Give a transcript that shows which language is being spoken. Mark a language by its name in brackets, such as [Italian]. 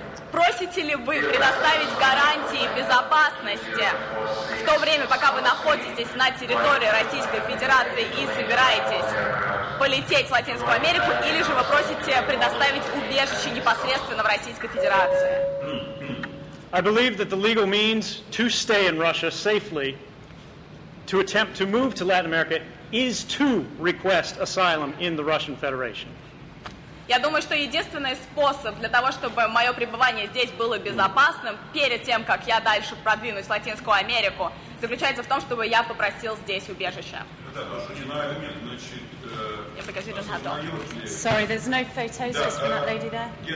[Russian] Просите ли вы предоставить гарантии безопасности в то время, пока вы находитесь на территории Российской Федерации и собираетесь полететь в Латинскую Америку, или же вы просите предоставить убежище непосредственно в Российской Федерации? [English] I believe that the legal means to stay in Russia safely, to attempt to move to Latin America, is to request asylum in the Russian Federation. [Russian] Я думаю, что единственный способ для того, чтобы мое пребывание здесь было безопасным перед тем, как я дальше продвинусь в Латинскую Америку, заключается в том, чтобы я попросил здесь убежище. [English] Yeah, because you don't have dog. Sorry, there's no photos just for that lady there.